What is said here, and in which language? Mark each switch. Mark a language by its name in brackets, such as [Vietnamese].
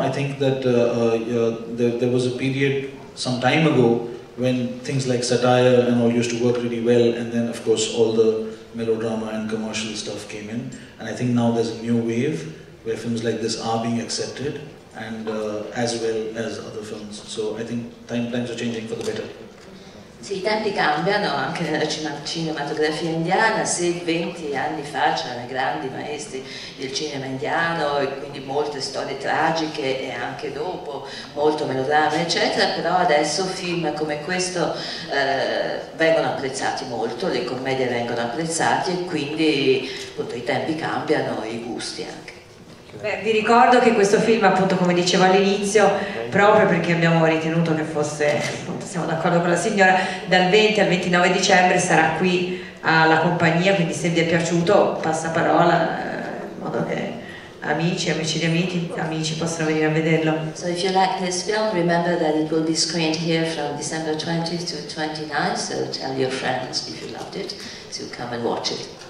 [English] I think that there was a period some time ago when things like satire and all used to work really well, and then of course all the melodrama and commercial stuff came in, and I think now there's a new wave where films like this are being accepted, and as well as other films. So I think times are changing for the better. [Italian] Sì, i tempi cambiano anche nella cinematografia indiana. Se 20 anni fa c'erano i grandi maestri del cinema indiano e quindi molte storie tragiche e anche dopo molto melodramma eccetera, però adesso film come questo vengono apprezzati molto, le commedie vengono apprezzate e quindi appunto, i tempi cambiano e i gusti anche. Beh, vi ricordo che questo film, appunto, come dicevo all'inizio, proprio perché abbiamo ritenuto che fosse, appunto, siamo d'accordo con la signora, dal 20 al 29 dicembre sarà qui alla compagnia, quindi se vi è piaciuto passa parola in modo che amici possano venire a vederlo. [English] So if you like this film, remember that it will be screened here from December 20th to 29th, so tell your friends if you loved it to come and watch it.